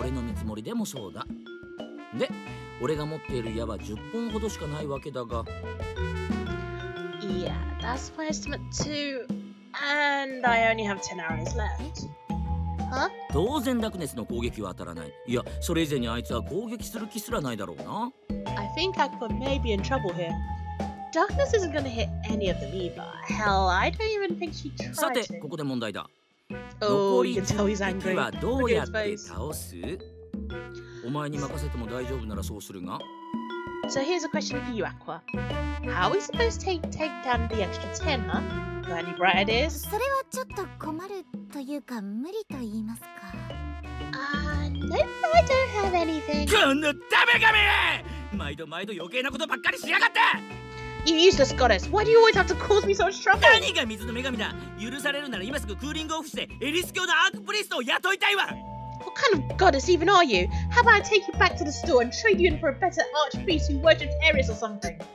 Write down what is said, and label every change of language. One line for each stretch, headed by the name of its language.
Japanese: 俺の見積もりでもそうだ。で、俺が持っている矢は10本ほどしかないわけだが。
English: Yeah, that's my estimate too. And I only have 10 arrows left. Huh?
Japanese: 当然ダクネスの攻撃は当たらない。いや、それ以前にあいつは攻撃する気すらないだろうな。
English: I think Aqua may be in trouble here. Darkness isn't gonna hit any of them either. Hell, I don't even think she tried to.
Japanese: さて、ここで問題だ。
English: Oh, you can tell he's angry.
Japanese: どうやって倒す? お前に任せても大丈夫ならそうするが。
English: So here's a question for you, Aqua. How are we supposed to take down the extra 10, huh? Got any bright ideas?
Japanese: それはちょっと困るというか無理と言いますか。
English: No, I don't have anything.
Japanese: このダメガメ！毎度毎度余計なことばっかりしやがって。
English: You useless goddess. Why do you always have to cause me so much trouble?
Japanese: 何が水の女神だ。許されるなら今すぐクーリングオフしてエリス教のアークプリストを雇いたいわ。
English: What kind of goddess even are you? How about I take you back to the store and trade you in for a better archpriest who worships Ares or something?